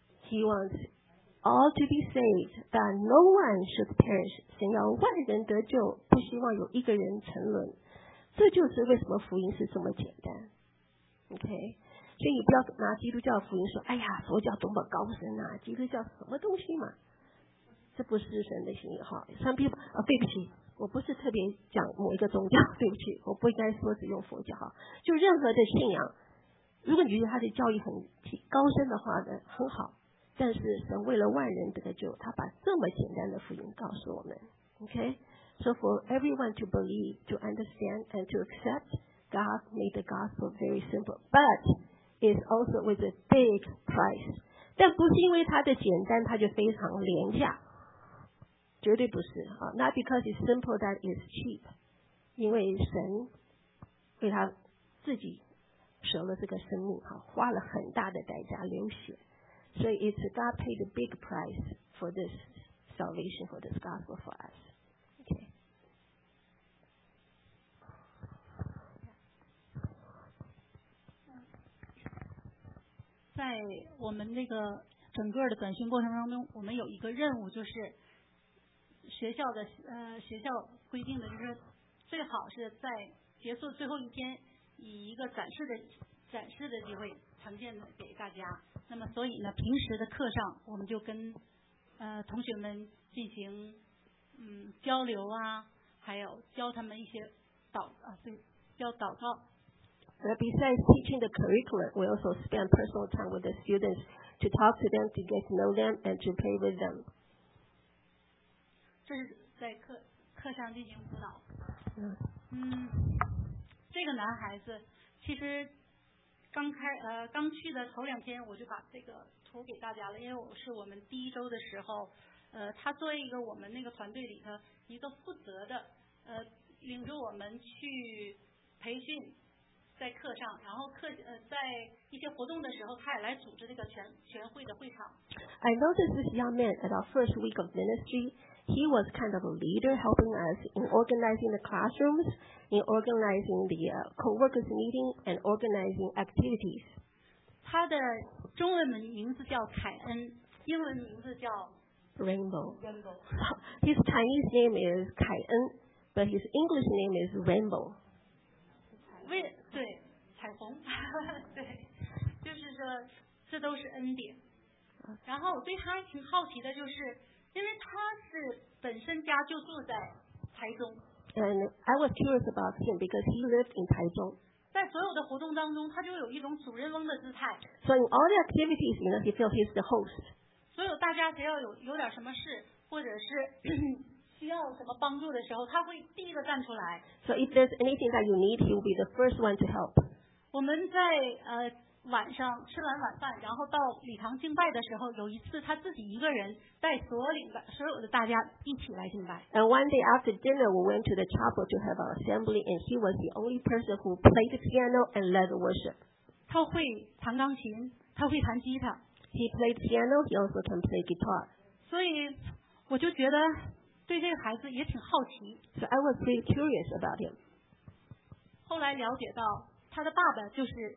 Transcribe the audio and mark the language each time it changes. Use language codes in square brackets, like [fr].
[en] He wants all to be saved, that no one should perish. [zh] 想要万人得救，不希望有一个人沉沦。这就是为什么福音是这么简单。OK， 所以你不要拿基督教福音说，哎呀，佛教多么高深啊，基督教什么东西嘛？这不是神的心意哈。 [en] Some people， [zh] 对不起，我不是特别讲某一个宗教，对不起，我不应该说只用佛教哈。就任何的信仰，如果你觉得他的教义很高深的话呢，很好。但是神为了万人得救，他把这么简单的福音告诉我们。 [en] OK， so for everyone to believe, to understand, and to accept, God made the gospel very simple, but it's also with a big price. [zh] 但不是因为它的简单，它就非常廉价。绝对不是啊， [en] not because it's simple that it's cheap. [zh] 因为神为他自己舍了这个生命，花了很大的代价，流血。所以 [en] it's God paid a big price for this salvation, for this gospel for us. Okay. In [zh] 我们那个整个的短训过程当中，我们有一个任务，就是学校的学校规定的，就是最好是在结束最后一天，以一个展示的机会呈现给大家。那么所以呢，平时的课上我们就跟同学们进行交流啊，还有教他们一些祷告。 [en] Besides teaching the curriculum, we also spend personal time with the students to talk to them, to get to know them, and to pray with them. [zh] 这是在课上进行辅导。这个男孩子其实刚去的头两天，我就把这个图给大家了，因为我是我们第一周的时候，他作为一个我们那个团队里头一个负责的，领着我们去培训，在课上，然后在一些活动的时候，他也来组织这个全会的会场。 [en] I noticed this young man at our first week of ministry. He was kind of a leader, helping us in organizing the classrooms. In organizing the co-workers meeting and organizing activities. [zh] 他的中文名字叫凯恩，英文名字叫 [en] Rainbow. Rainbow. His Chinese name is 凯恩 but his English name is Rainbow. [zh] 对，彩虹，对，就是说这都是恩典。然后我对他挺好奇的，就是因为他是本身家就住在台中。 [en] And I was curious about him because he lived in Taichung. [zh] 在所有的活动当中，他就有一种主人翁的姿态。 [en] So in all the activities, you know, he feels he's the host. [zh] 所有大家只要有点什么事，或者是需要什么帮助的时候，他会第一个站出来。 [en] So if there's anything that you need, he will be the first one to help. [zh] 我们在晚上吃完晚饭，然后到礼堂敬拜的时候，有一次他自己一个人带所有的大家一起来敬拜。 [en] And one day after dinner, we went to the chapel to have our assembly, and he was the only person who played the piano and led the worship. [zh] 他会弹钢琴，他会弹吉他。 [en] He played piano. He also can play guitar. [zh] 所以我就觉得对这个孩子也挺好奇。 [en] So I was pretty curious about him. [zh] 后来了解到他的爸爸就是。